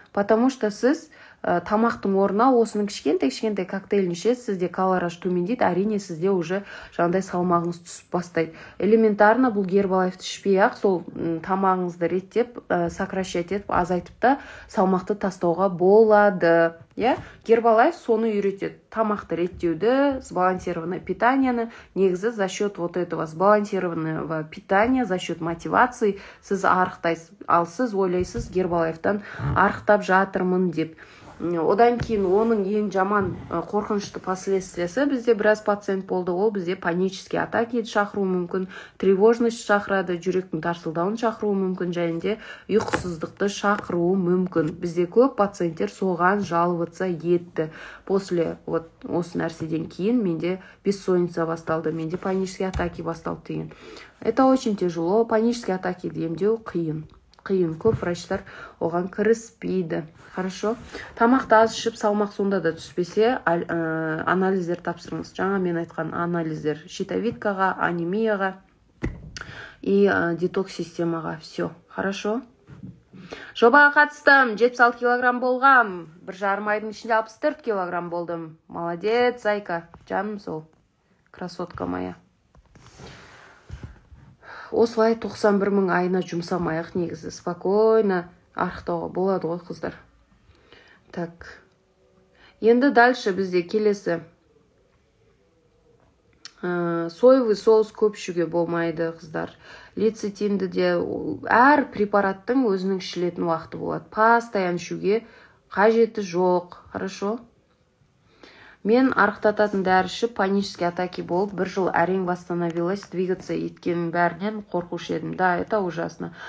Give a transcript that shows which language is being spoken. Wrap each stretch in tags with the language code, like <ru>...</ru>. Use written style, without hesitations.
<ru>Потому что</ru> <kk>сіз тамақтың орнына осының кішкентай-кішкентай коктейлін ішесіз, сізде калораж төмендейді, әрине сізде уже жаңдай салмағыңыз түсіп бастайды. Элементарно бұл Гербалайфты ішпей-ақ сол тамағыңызды реттеп, сокращать етіп, азайтып та салмақты тастауға болады. Гербалайф соны үйретеді. Тамақты реттеуді, сбалансированное питаниені, негізі</kk> <ru>за счет вот этого сбалансированного питания, за счет мотивации</ru> <kk>сіз арықтайсыз. Ал сіз ойлайсыз Гербалайфтан арықтап жатырмын деп. Одан кейін оның ең жаман қорқынышты последствиясы, бізде біраз пациент болды, ол бізде панический атаки шақыруы мүмкін, тревожность шақырады, жүректің тарсылдауын шақыруы мүмкін, және де ұйқысыздықты шақыруы мүмкін. Бізде көп пациенттер соған жалыватса етті.</kk> <ru>После вот</ru> <kk>осы нәрседен кейін менде бессонница басталды, менде панический атаки басталды деген.</kk> <ru>Это очень тяжело,</ru> <kk>панический атаки емдеу қиын. Қиын, көп врачтар оған кіріспейді.</kk> <ru>Хорошо.</ru> <kk>Тамақты аз ішіп салмақ сонда да түспесе, анализдер тапсырыңыз. Жаңа мен айтқан анализдер щитовидкаға, анемияға и детокс системаға.</kk> <ru>Все. Хорошо.</ru> <kk>Жобаға қатыстым. 76 килограмм болғам. Бір жарым айдың ішінде 64 килограмм болдым.</kk> <ru>Молодец, зайка.</ru> <kk>Жаным сол.</kk> <ru>Красотка моя.</ru> <kk>Осылай 91 000 айына жұмсамайық негізі. Спокойно арықтауға болады ғой, қыздар.</kk> <ru>Так.</ru> <kk>Енді дальше бізде келесі. Соевый соус көп ішуге болмайды, қыздар. Лецитинді де әр препараттың өзінің ішілетін уақыты болады. Постоянно ішуге қажеті жоқ.</kk> <ru>Хорошо?</ru> <kk>Мен арықтататын дәріші панический атаки болып, бір жыл әрең восстановилась, двигаться еткенін бәрінен қорқушы едім.</kk> <ru>Да, это ужасно.</ru>